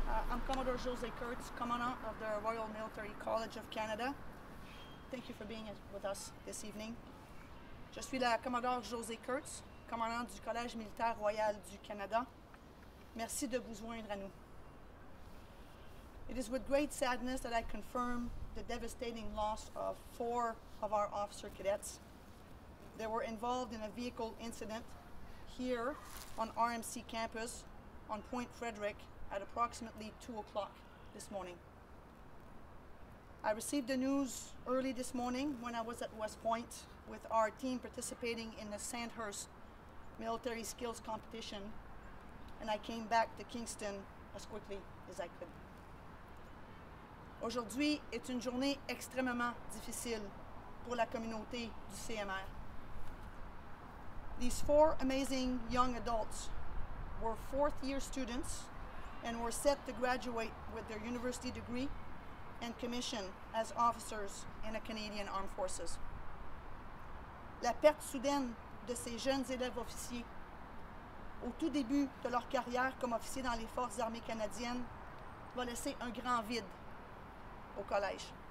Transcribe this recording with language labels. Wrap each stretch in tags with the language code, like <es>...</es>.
<en>I'm Commodore Josée Kurtz, Commandant of the Royal Military College of Canada. Thank you for being with us this evening.</en> <fr>Je suis la Commodore Josée Kurtz, Commandant du Collège Militaire Royal du Canada. Merci de vous joindre à nous.</fr> <en>It is with great sadness that I confirm the devastating loss of four of our officer cadets. They were involved in a vehicle incident here on RMC campus on Point Frederick at approximately 2 o'clock this morning. I received the news early this morning when I was at West Point with our team participating in the Sandhurst Military Skills Competition, and I came back to Kingston as quickly as I could.</en> <fr>Aujourd'hui est une journée extrêmement difficile pour la communauté du CMR.</fr> <en>These four amazing young adults were fourth year students and were set to graduate with their university degree and commission as officers in the Canadian Armed Forces.</en> <fr>La perte soudaine de ces jeunes élèves officiers au tout début de leur carrière comme officiers dans les forces armées canadiennes va laisser un grand vide au collège.</fr>